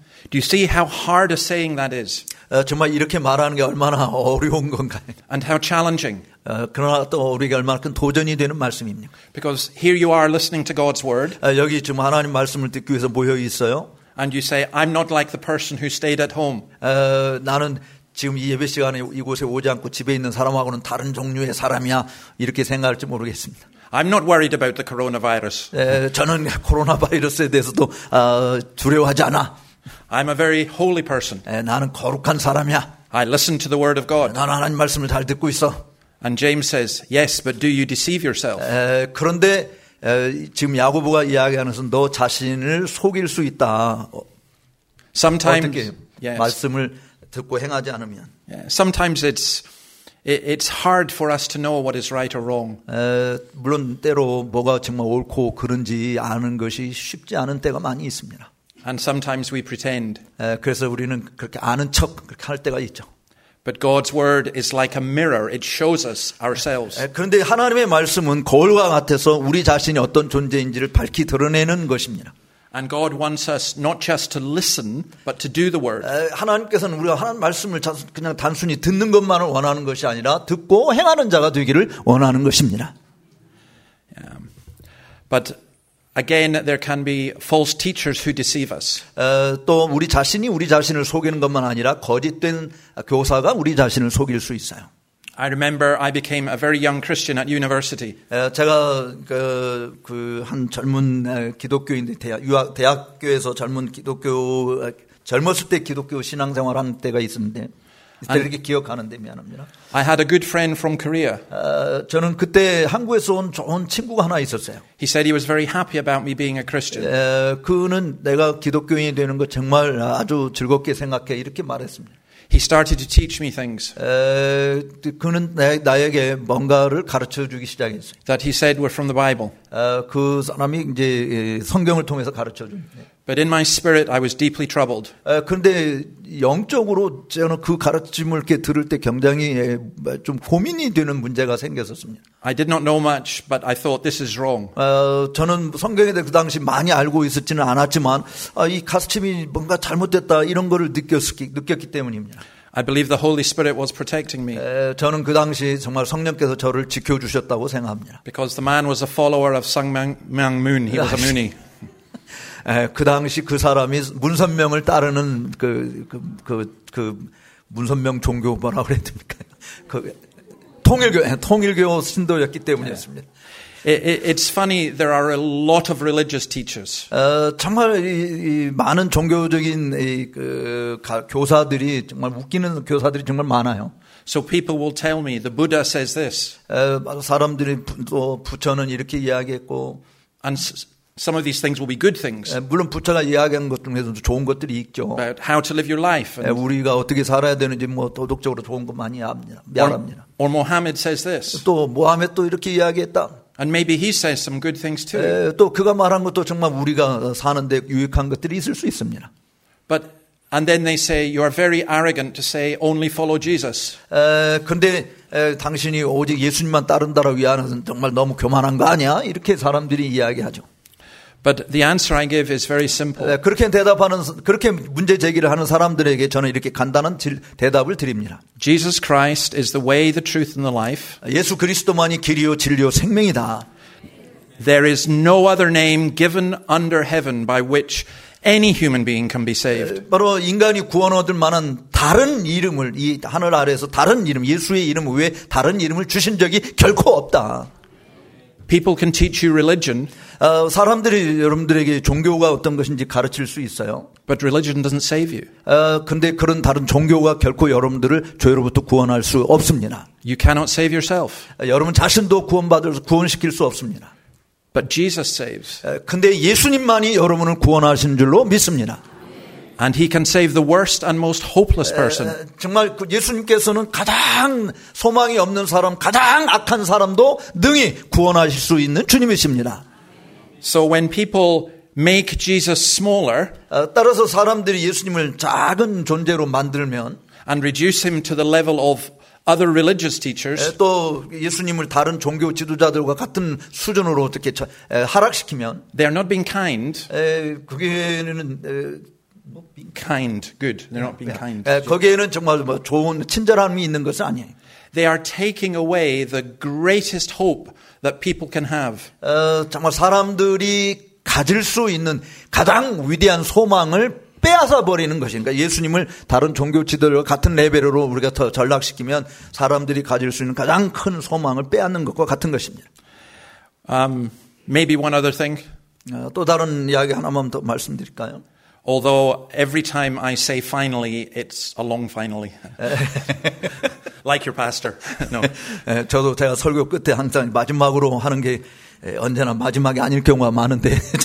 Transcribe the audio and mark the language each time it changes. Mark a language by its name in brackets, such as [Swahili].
[English] Do you see how hard a saying that is? [Korean] 정말 이렇게 말하는 게 얼마나 어려운 건가요? [English] And how challenging. [Korean] 그러나 또 우리에게 얼마큼 도전이 되는 말씀입니까? [English] Because here you are listening to God's word. [Korean] 여기 지금 하나님 말씀을 듣기 위해서 모여 있어요. [English] And you say, I'm not like the person who stayed at home. [Korean] 나는 지금 이 예배 시간에 이곳에 오지 않고 집에 있는 사람하고는 다른 종류의 사람이야. 이렇게 생각할지 모르겠습니다. [English] I'm not worried about the coronavirus. [Korean] 저는 코로나 바이러스에 대해서도 두려워하지 않아. [English] I'm a very holy person. [Korean] 나는 거룩한 사람이야. [English] I listen to the word of God. [Korean] 나는 하나님 말씀을 잘 듣고 있어. [English] And James says, yes, but do you deceive yourself? [Korean] 그런데 지금 야고보가 이야기하는 것은 너 자신을 속일 수 있다. [English] Sometimes, [Korean] 어떻게 [English] yes. [Korean] 말씀을 듣고 행하지 않으면. [English] Sometimes it's hard for us to know what is right or wrong. [Korean] 물론 때로 뭐가 정말 옳고 그른지 아는 것이 쉽지 않은 때가 많이 있습니다. [English] And sometimes we pretend. [Korean] 그래서 우리는 그렇게 아는 척 그렇게 할 때가 있죠. [English] But God's word is like a mirror. It shows us ourselves. [Korean] 그런데 하나님의 말씀은 거울과 같아서 우리 자신이 어떤 존재인지를 밝히 드러내는 것입니다. [English] And God wants us not just to listen, but to do the word. [Korean] 하나님께서는 우리가 하나님 말씀을 그냥 단순히 듣는 것만을 원하는 것이 아니라 듣고 행하는 자가 되기를 원하는 것입니다. [English] But again, there can be false teachers who deceive us. [Korean] 또 우리 자신이 우리 자신을 속이는 것만 아니라 거짓된 교사가 우리 자신을 속일 수 있어요. [English] I remember I became a very young Christian at university. [Korean] 제가 그한 젊은 기독교인 대학교에서 젊은 기독교 젊었을 때 기독교 신앙생활 한 때가 있었는데 이렇게 기억하는데 미안합니다. [English] I had a good friend from Korea. [Korean] 저는 그때 한국에서 온 좋은 친구가 하나 있었어요. [English] He said he was very happy about me being a Christian. [Korean] 그는 내가 기독교인이 되는 거 정말 아주 즐겁게 생각해 이렇게 말했습니다. [English] He started to teach me things. [Korean] 그는 나에게 뭔가를 가르쳐 주기 시작했어요. [English] That he said were from the Bible. [Korean] 그 사람이 이제 성경을 통해서 가르쳐 준. [English] But in my spirit, I was deeply troubled. [Korean] 그런데 영적으로 저는 그 가르침을 이렇게 들을 때 굉장히 좀 고민이 되는 문제가 생겼었습니다. [English] I did not know much, but I thought this is wrong. [Korean] 저는 성경에 대해 그 당시 많이 알고 있었지는 않았지만 이 가르침이 뭔가 잘못됐다 이런 거를 느꼈기 때문입니다. [English] I believe the Holy Spirit was protecting me. [Korean] 저는 그 당시 정말 성령께서 저를 지켜 주셨다고 생각합니다. [English] Because the man was a follower of Sung Myung Moon. He was a Moonie. [Korean] 그 당시 그 사람이 문선명을 따르는 그 문선명 종교 뭐라 그래야 됩니까? 그 통일교 신도였기 때문이었습니다. [English] It's funny there are a lot of religious teachers. [Korean] 정말 이 많은 종교적인 교사들이 정말 웃기는 교사들이 정말 많아요. [English] So people will tell me the Buddha says this. [Korean] 사람들이 또 부처는 이렇게 이야기했고 [English] Some of these things will be good things. [Korean] 물론 부처가 이야기한 것 중에서도 좋은 것들이 있죠. [English] About how to live your life. [Korean] 우리가 어떻게 살아야 되는지 뭐 도덕적으로 좋은 것 많이 압니다. [English] Or Mohammed says this. [Korean] 또 모하메드도 이렇게 이야기했다. [English] And maybe he says some good things too. [Korean] 또 그가 말한 것도 정말 우리가 사는데 유익한 것들이 있을 수 있습니다. [English] But and then they say you are very arrogant to say only follow Jesus. [Korean] 근데 당신이 오직 예수님만 따른다라고 이야기하는 정말 너무 교만한 거 아니야? 이렇게 사람들이 이야기하죠. [English] But the answer I give is very simple. [Korean] 그렇게 대답하는 그렇게 문제 제기를 하는 사람들에게 저는 이렇게 간단한 대답을 드립니다. [English] Jesus Christ is the way, the truth, and the life. [Korean] 예수 그리스도만이 길이요 진리요 생명이다. [English] There is no other name given under heaven by which any human being can be saved. [Korean] 바로 인간이 구원 얻을 만한 다른 이름을 이 하늘 아래에서 다른 이름 예수의 이름 외에 다른 이름을 주신 적이 결코 없다. [English] People can teach you religion. [Korean] 사람들이 여러분들에게 종교가 어떤 것인지 가르칠 수 있어요. [English] But religion doesn't save you. [Korean] 근데 그런 다른 종교가 결코 여러분들을 죄로부터 구원할 수 없습니다. [English] You cannot save yourself. [Korean] 여러분 자신도 구원받을 구원시킬 수 없습니다. [English] But Jesus saves. [Korean] 근데 예수님만이 여러분을 구원하시는 줄로 믿습니다. [English] And he can save the worst and most hopeless person. [Korean] 정말 예수님께서는 가장 소망이 없는 사람, 가장 악한 사람도 능히 구원하실 수 있는 주님이십니다. [English] So when people make Jesus smaller, [Korean] 따라서 사람들이 예수님을 작은 존재로 만들면, [English] and reduce him to the level of other religious teachers, [Korean] 또 예수님을 다른 종교 지도자들과 같은 수준으로 어떻게 하락시키면, [English] they are not being kind. [Korean] 그게는 [English] Kind, good. They're not being kind. [Korean] 거기에는 정말 뭐 좋은 친절함이 있는 것은 아니에요. [English] They are taking away the greatest hope that people can have. [Korean] 정말 사람들이 가질 수 있는 가장 위대한 소망을 빼앗아 버리는 것인가? 예수님을 다른 종교 지도자와 같은 레벨으로 우리가 더 전락시키면 사람들이 가질 수 있는 가장 큰 소망을 빼앗는 것과 같은 것입니다. [English] Maybe one other thing. [Korean] 또 다른 이야기 하나만 더 말씀드릴까요? [English] Although every time I say finally, it's a long finally. Like your pastor. No. [Korean] 저도 제가 설교 끝에 항상 마지막으로 하는 게 언제나 마지막이 아닐 경우가 많은데.